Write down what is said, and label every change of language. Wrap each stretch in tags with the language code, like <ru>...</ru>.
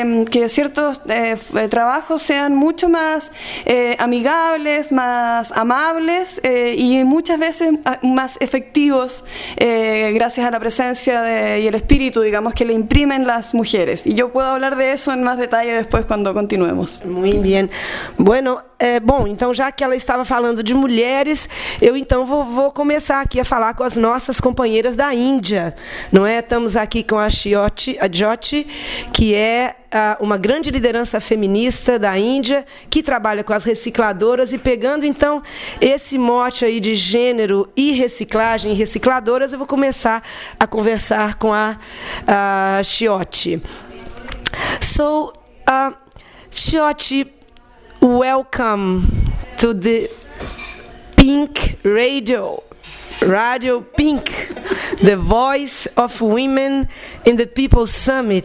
<es>que ciertos trabajos sean mucho más amigables, más amables y muchas veces más efectivos gracias a la presencia y el espíritu, digamos, que le imprimen las mujeres. Y yo puedo hablar de eso en más detalle después cuando continuemos. Muy bien.</es> <pt>Bueno, bom, então já que ela estava falando de mulheres, eu então vou começar aqui a falar com as nossas companheiras da Índia, não é? Estamos aqui com a Shyoti Adjoti, que é uma grande liderança feminista da Índia, que trabalha com as recicladoras, e pegando então esse mote aí de gênero e reciclagem, recicladoras, eu vou começar a conversar com a Shyoti.</pt> <en>So, Shyoti, welcome to the Pink Radio, Radio Pink, the voice of women in the People's Summit.</en>